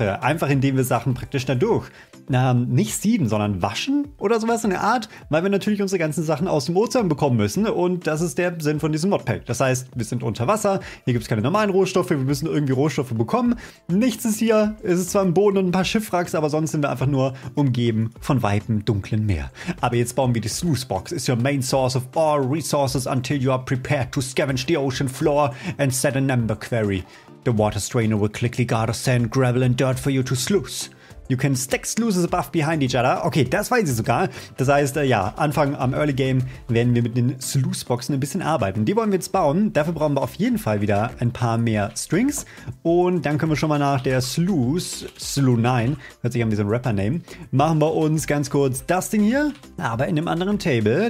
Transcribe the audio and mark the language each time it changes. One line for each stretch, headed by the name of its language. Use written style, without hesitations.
German: Einfach indem wir Sachen praktisch dadurch nicht sieben, sondern waschen oder sowas in der Art, weil wir natürlich unsere ganzen Sachen aus dem Ozean bekommen müssen und das ist der Sinn von diesem Modpack. Das heißt, wir sind unter Wasser, hier gibt es keine normalen Rohstoffe, wir müssen irgendwie Rohstoffe bekommen. Nichts ist hier, es ist zwar im Boden und ein paar Schiffwracks, aber sonst sind wir einfach nur umgeben von weitem dunklen Meer. Aber jetzt bauen wir die Sluice Box.
English: It's your main source of all resources until you are prepared to scavenge the ocean floor and set an ember quarry. The water strainer will quickly gather sand, gravel and dirt for you to sluice. You can stack sluices above behind each other.
German: Okay, das weiß ich sogar. Das heißt, ja, Anfang am Early Game werden wir mit den Sluice-Boxen ein bisschen arbeiten. Die wollen wir jetzt bauen. Dafür brauchen wir auf jeden Fall wieder ein paar mehr Strings. Und dann können wir schon mal nach der Sluice, Slu9, hört sich an wie so ein Rapper-Name, machen wir uns ganz kurz das Ding hier, aber in einem anderen Table.